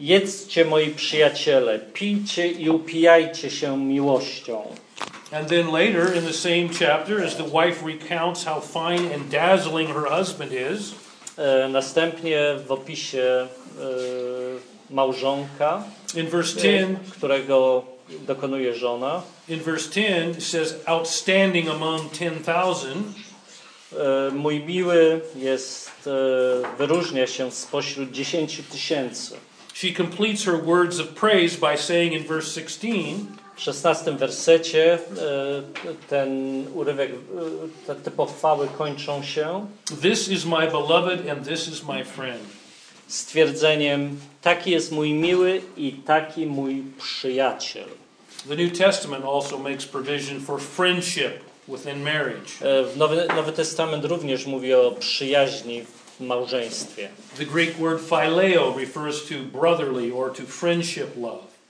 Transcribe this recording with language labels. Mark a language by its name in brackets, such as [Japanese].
[Polish] Jedzcie, moi przyjaciele, pijcie i upijajcie się miłością. [English] And then later in the same chapter, as the wife recounts how fine and dazzling her husband is, [Polish] następnie w opisie małżonka, [English] in verse 10, [Polish] którego dokonuje żona, [English] in verse 10 it says outstanding among 10,000, [Polish] mój miły jest wyróżnia się spośród 10,000. [English] She completes her words of praise by saying in verse 16, [Polish] w 16 wersecie ten urywek, te pochwały kończą się. [English] This is my beloved and this is my friend. [Polish] Stwierdzeniem, taki jest mój miły i taki mój przyjaciel. [English] The New Testament also makes provision for friendship within marriage. [Polish] Nowy Testament również mówi o przyjaźni w małżeństwie. [English] The Greek word phileo refers to brotherly or to friendship love.